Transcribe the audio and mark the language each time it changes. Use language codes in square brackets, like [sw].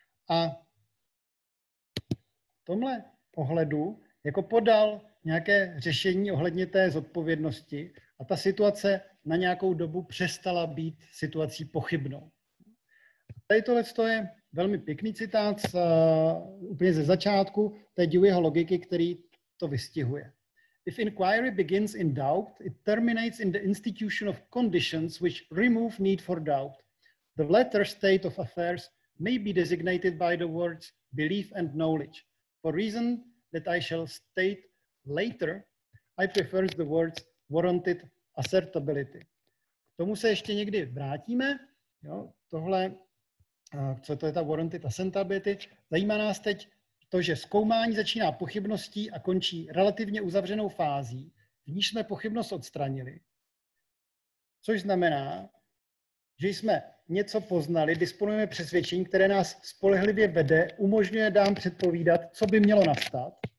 [cs] A v tomhle pohledu jako podal nějaké řešení ohledně té zodpovědnosti a ta situace na nějakou dobu přestala být situací pochybnou. Tady tohle je velmi pěkný citát úplně ze začátku té Deweyho logiky, který to vystihuje. [en] If inquiry begins in doubt, it terminates in the institution of conditions which remove need for doubt. The latter state of affairs may be designated by the words belief and knowledge. For reason that I shall state later, I prefer the words warranted assertability. [cs] K tomu se ještě někdy vrátíme. Jo, tohle, co to je ta warranted assertability, zajímá nás teď to, že zkoumání začíná pochybností a končí relativně uzavřenou fází, v níž jsme pochybnost odstranili, což znamená, že jsme něco poznali, disponujeme přesvědčení, které nás spolehlivě vede, umožňuje nám předpovídat, co by mělo nastat.